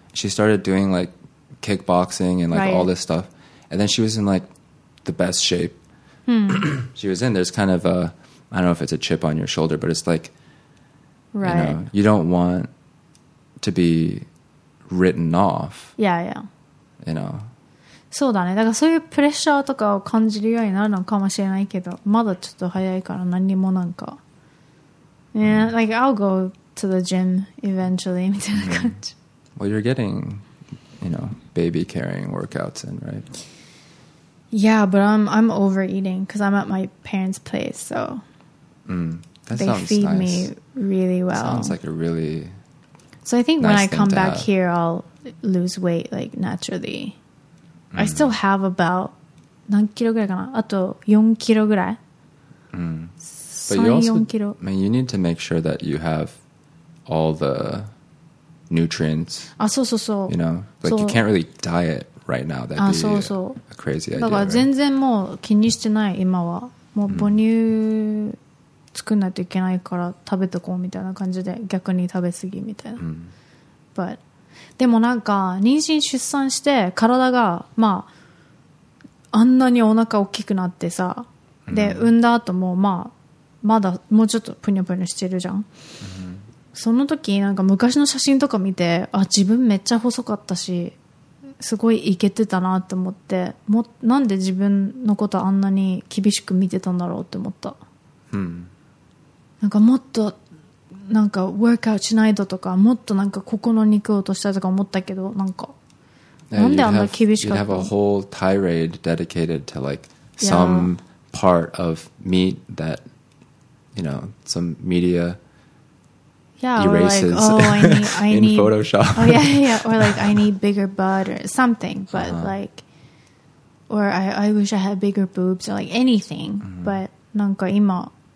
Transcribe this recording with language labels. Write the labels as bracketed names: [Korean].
[English] She started doing like kickboxing and like all this stuff. And then she was in like the best shape she was in. There's kind of a, I don't know if it's a chip on your shoulder, but it's like, you know, you don't want to be written off. Yeah, yeah. You know. [Japanese] そうだね。だからそういうプレッシャーとかを感じるようになるのかもしれないけど、まだちょっと早いから何もなんか。 [English] Yeah, like I'll go to the gym eventually [Japanese] みたいな感じ。 [English] Well, you're getting, you know, baby carrying workouts in, right? Yeah, but I'm overeating because I'm at my parents' place, so they feed nice. Me really well. Sounds like a really so I think nice when I come back have. Here, I'll lose weight like naturally. I still have about [Japanese] 何キロぐらいかな？あと4キロぐらい。 [English] But you also, I mean, you need to make sure that you have all the nutrients. [Japanese] あ、そうそうそう。 [English] You know, like you can't really diet right now. That'd be [Japanese] そうそう [English] a crazy idea. [Japanese] だから全然もう気にしてない今は。もう母乳作んないといけないから食べてこうみたいな感じで逆に食べ過ぎみたいな。 But でもなんか妊娠出産して体がまああんなにお腹大きくなってさ、で産んだ後もまあまだもうちょっとプニョプニョしてるじゃん。その時なんか昔の写真とか見て、あ自分めっちゃ細かったしすごいイケてたなって思って、もなんで自分のことあんなに厳しく見てたんだろうって思った。なんかもっとなんかウォークアウトしないととか、もっとなんかここの肉を落としたいとか思ったけど、なんか、 [English] yeah, [Japanese] なんであんな厳しかったの。 [English] You'd have a whole tirade dedicated to like some part of meat that you know some media erases in Photoshop. Oh yeah, yeah. Or like I need bigger butt or something, but like or I wish I had bigger boobs or like anything, but [Japanese] なんか今